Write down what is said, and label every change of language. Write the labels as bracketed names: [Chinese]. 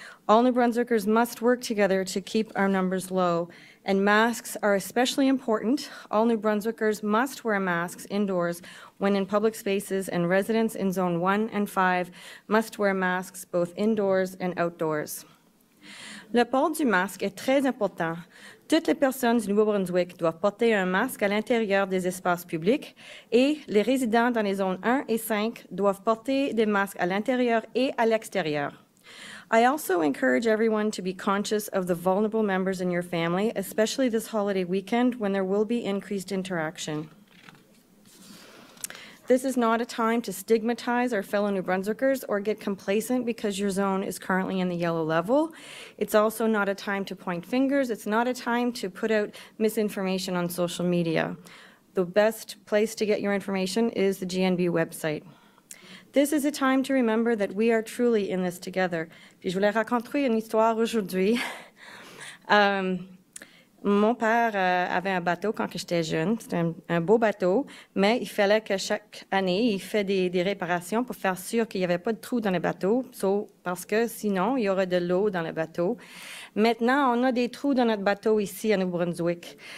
[English] All New Brunswickers must work together to keep our numbers low, and masks are especially important. All New Brunswickers must wear masks indoors when in public spaces, and residents in Zone 1 and 5 must wear masks both indoors and outdoors. [French] Le port du masque est très important. Toutes les personnes du Nouveau-Brunswick doivent porter un masque à l'intérieur des espaces publics et les résidents dans les zones 1 et 5 doivent porter des masques à l'intérieur et à l'extérieur. [English] I also encourage everyone to be conscious of the vulnerable members in your family, especially this holiday weekend when there will be increased interaction. This is not a time to stigmatize our fellow New Brunswickers or get complacent because your zone is currently in the yellow level. It's also not a time to point fingers. It's not a time to put out misinformation on social media. The best place to get your information is the GNB website. This is a time to remember that we are truly in this together. [French] Puis je voulais raconter une histoire aujourd'hui. Mon père avait un bateau quand j'étais jeune. C'était un beau bateau, mais il fallait que chaque année, il fait des réparations pour faire sûr qu'il n'y avait pas de trous dans le bateau, parce que sinon, il y aurait de l'eau dans le bateau. Maintenant, on a des trous dans notre bateau ici à New Brunswick.